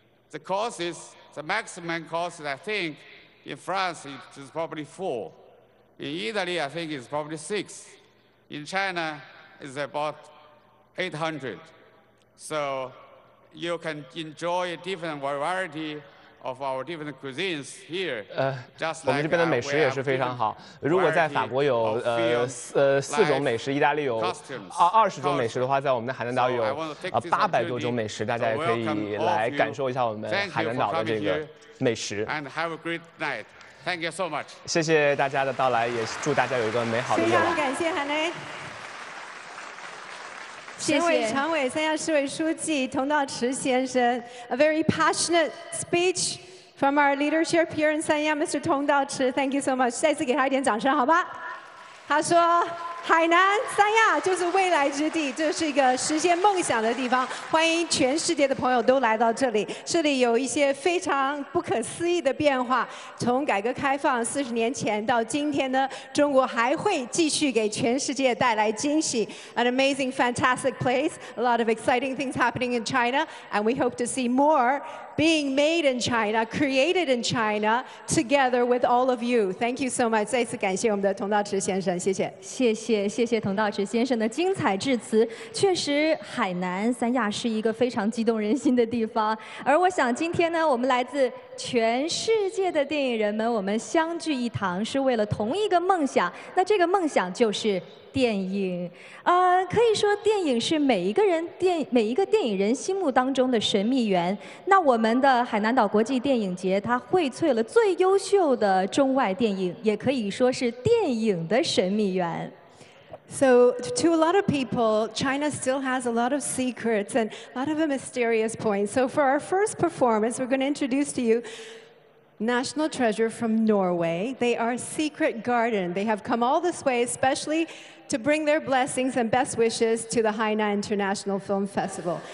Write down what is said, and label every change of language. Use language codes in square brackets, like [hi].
[en] The maximum cost, I think, in France it is probably 4. In Italy, I think it's probably 6. In China, it's about 800. So you can enjoy a different variety of our different cuisines here. Just like [zh] 我们这边的美食也是非常好。如果在法国有四种美食，意大利有20种美食的话，在我们的海南岛有800多种美食，大家也可以来感受一下我们海南岛的这个美食。 [en] And have a great night. Thank you so much. [zh] 谢谢大家的到来，也祝大家有一个美好的夜晚。非常感谢海南。省委常委、三亚市委书记佟道池先生 [en] ，a very passionate speech from our leadership here in 三亚 ，Mr. [zh] 佟道池 ， [en] Thank you so much， [zh] 再次给他一点掌声，好吧？他说，海南三亚就是未来之地，这是一个实现梦想的地方，欢迎全世界的朋友都来到这里。这里有一些非常不可思议的变化，从改革开放40年前到今天呢，中国还会继续给全世界带来惊喜。 [en] An amazing fantastic place, a lot of exciting things happening in China, and we hope to see more being made in China, created in China, together with all of you. Thank you so much. [zh] 再次感谢我们的佟道池先生，谢谢。谢谢佟道池先生的精彩致辞。确实，海南三亚是一个非常激动人心的地方。而我想，今天呢，我们来自全世界的电影人们，我们相聚一堂，是为了同一个梦想。那这个梦想就是电影。可以说电影是每一个电影人心目当中的神秘园。那我们的海南岛国际电影节，它荟萃了最优秀的中外电影，也可以说是电影的神秘园。 [en] So to a lot of people, China still has a lot of secrets and a lot of a mysterious points. So for our first performance, we're going to introduce to you National Treasure from Norway. They are Secret Garden. They have come all this way, especially to bring their blessings and best wishes to the Hainan International Film Festival.